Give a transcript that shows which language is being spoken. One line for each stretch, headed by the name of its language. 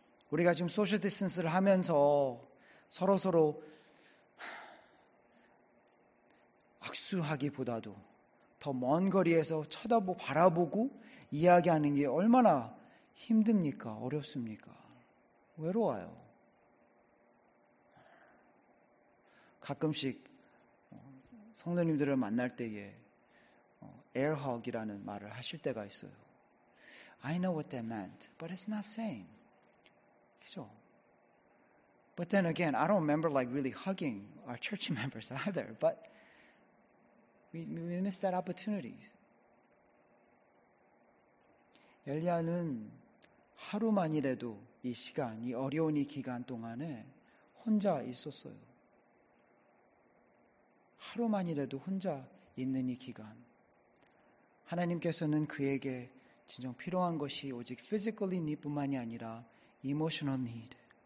Korean: 우리가 지금 소셜 디스턴스를 하면서 서로서로 악수하기보다도 더 먼 거리에서 쳐다보고 바라보고 이야기하는 게 얼마나 힘듭니까? 어렵습니까? 외로워요. 가끔씩 성도님들을 만날 때에 에어허그라는 말을 하실 때가 있어요.
English: I know what that meant, but it's not same.
Korean: 그죠?
English: But then again, I don't remember like really hugging our church members either, but we missed that opportunity.
Korean: 엘리야는 하루만이라도 이 시간, 이 어려운 이 기간 동안에 혼자 있었어요. 하루만이라도 혼자 있는 이 기간. 하나님께서는 그에게 진정 필요한 것이 오직
English: physically need
Korean: 뿐만이 아니라
English: emotional need.